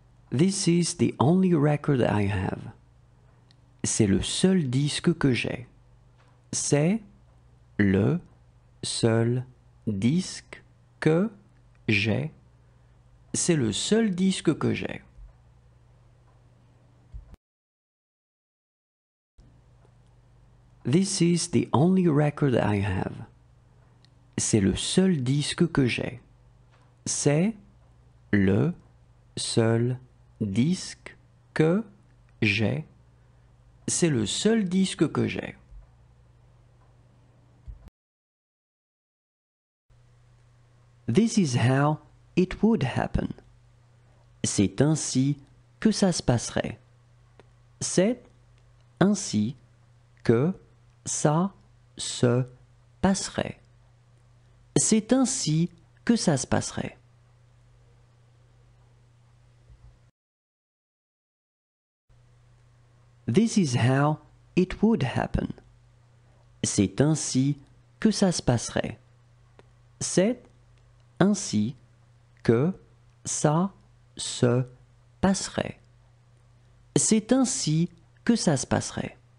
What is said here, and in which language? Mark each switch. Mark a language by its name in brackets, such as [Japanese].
[English] This is the only record I have. [French] C'est le seul disque que j'ai. C'est le seul disque que j'ai. C'est le seul disque que j'ai. [English] This is the only record I have. [French] C'est le seul disque que j'ai. C'est le seul disque que j'ai. C'est le seul disque que j'ai. [English] This is how it would happen. [French] C'est ainsi que ça se passerait. C'est ainsi que ça se passerait. C'est ainsi que ça se passerait. [English] This is how it would happen. [French] C'est ainsi que ça se passerait. C'est ainsi que ça se passerait. C'est ainsi que ça se passerait.